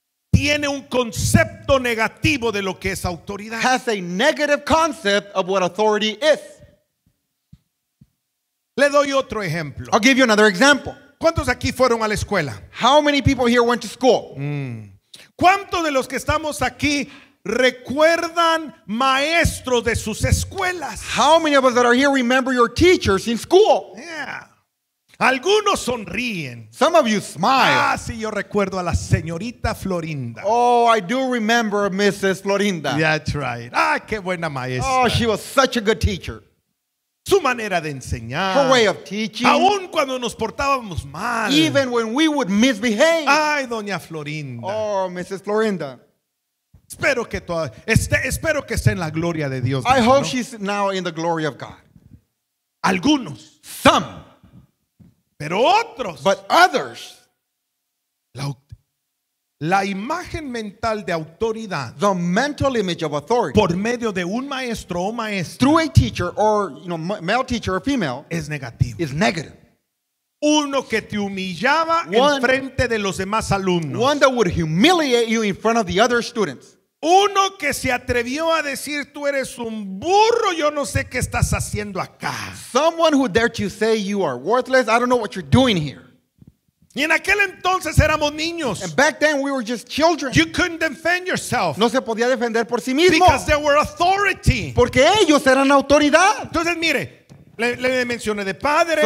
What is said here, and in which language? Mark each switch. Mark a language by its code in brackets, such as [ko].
[es] tiene un concepto negativo de lo que es autoridad, [en] has a negative concept of what authority is. [es] Le doy otro ejemplo. [en] I'll give you another example. [es] ¿Cuántos aquí fueron a la escuela? [en] How many people here went to school? [es] ¿Cuántos de los que estamos aquí recuerdan maestros de sus escuelas? [en] How many of us that are here remember your teachers in school? [es] Yeah. Algunos sonríen. [en] Some of you smile. [es] Ah, sí, yo recuerdo a la señorita Florinda. [en] Oh, I do remember Mrs. Florinda. That's right. [es] Ah, qué buena maestra. [en] Oh, she was such a good teacher. [es] Su manera de enseñar. [en] Her way of teaching. [es] Aún cuando nos portábamos mal. [en] Even when we would misbehave. [es] Ay, doña Florinda. [en] Oh, Mrs. Florinda. [es] Espero que esté en la gloria de Dios. [en] I hope she's now in the glory of God. [es] Algunos. [en] Some. [es] Pero otros. [en] But others. [es] La imagen mental de autoridad. [en] The mental image of authority. [es] Por medio de un maestro o maestra. [en] Through a teacher or, you know, male teacher or female. [es] Es negativo. [en] Is negative. [es] Uno que te humillaba en frente de los demás alumnos. [en] One that would humiliate you in front of the other students. [es] Uno que se atrevió a decir tú eres un burro, yo no sé qué estás haciendo acá. [en] Someone who dared to say you are worthless, I don't know what you're doing here. [es] Y en aquel entonces éramos niños. [en] And back then we were just children. You couldn't defend yourself. [es] No se podía defender por sí mismo. [en] Because they were authority. [es] Porque ellos eran autoridad. Entonces mire, le mencioné de padres.